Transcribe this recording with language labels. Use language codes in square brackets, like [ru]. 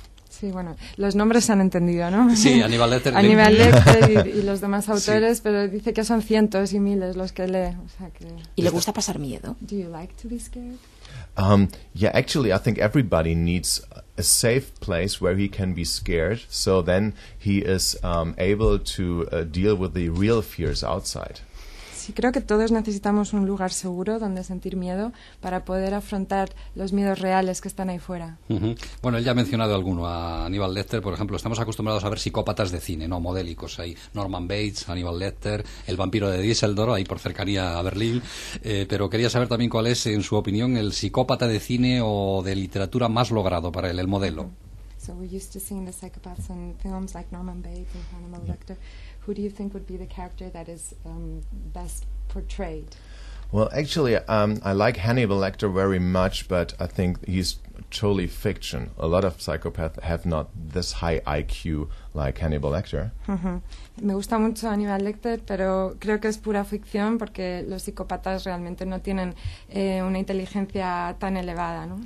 [es] Sí, bueno, los nombres se han entendido, ¿no? Sí, Hannibal Lecter. Hannibal Lecter y los demás autores, sí. Pero dice que son cientos y miles los que lee. O sea que... ¿Y le gusta pasar miedo? [en] Do you like to be scared? Yeah, actually, I think everybody needs a safe place where he can be scared, so then he is able to deal with the real fears outside. [es] Sí, creo que todos necesitamos un lugar seguro donde sentir miedo para poder afrontar los miedos reales que están ahí fuera. Uh-huh. Bueno, él ya ha mencionado alguno, a Hannibal Lecter, por ejemplo. Estamos acostumbrados a ver psicópatas de cine, ¿no? Modélicos. Hay Norman Bates, Hannibal Lecter, el vampiro de Düsseldorf, ahí por cercanía a Berlín. Pero quería saber también cuál es, en su opinión, el psicópata de cine o de literatura más logrado para él, el modelo. [en] So we're used to seeing the psychopaths in films like Norman Bates and Hannibal Lecter. Who do you think would be the character that is best portrayed? Well, actually, I like Hannibal Lecter very much, but I think he's totally fiction. A lot of psychopaths have not this high IQ like Hannibal Lecter. Mm-hmm. [es] Me gusta mucho Hannibal Lecter, pero creo que es pura ficción porque los psicópatas realmente no tienen una inteligencia tan elevada, ¿no?